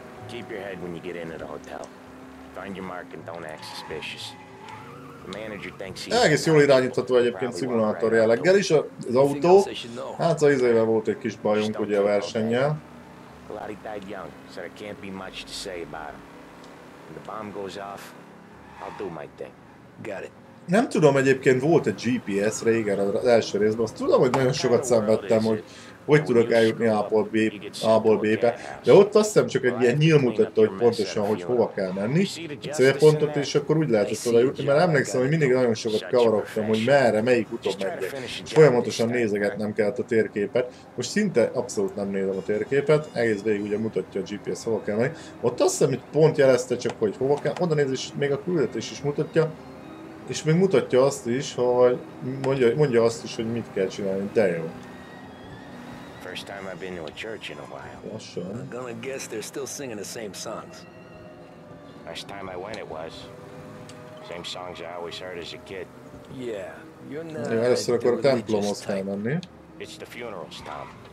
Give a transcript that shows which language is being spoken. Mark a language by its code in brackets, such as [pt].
[en] Keep your head when you get into the hotel. Find your mark and don't act suspicious. The manager thinks he's... [hu] Egész jól irányítható egyébként szimulátor jelleggel is az autó. Hát az izével volt egy kis bajunk ugye a versennyel. [en] A lot of died young, so there can't be much to say about him. When the bomb goes off, I'll do my thing. Got it. [hu] Nem tudom, egyébként volt egy GPS régen az első részben, azt tudom, hogy nagyon sokat szenvedtem, hogy hogy tudok eljutni A-ból B-be, de ott azt hiszem csak egy ilyen nyíl mutatta, hogy pontosan, hogy hova kell menni, a célpontot, és akkor úgy lehet ezt oda jutni, mert emlékszem, hogy mindig nagyon sokat kavarogtam, hogy merre, melyik úton megyek. Folyamatosan nézegetnem kellett a térképet, most szinte abszolút nem nézem a térképet, egész végig ugye mutatja a GPS, hova kell menni. Ott azt hiszem, hogy pont jelezte csak, hogy hova kell, oda néz, és még a küldetés is mutatja, és még mutatja azt is, hogy mondja azt is, hogy mit kell csinálni, de jó. [en] First time I've been to a church in a while. Well, sure. I'm gonna guess they're still singing the same songs. Last time I went it was. Same songs I always heard as a kid. Yeah, you're not a It's the funerals, Tom.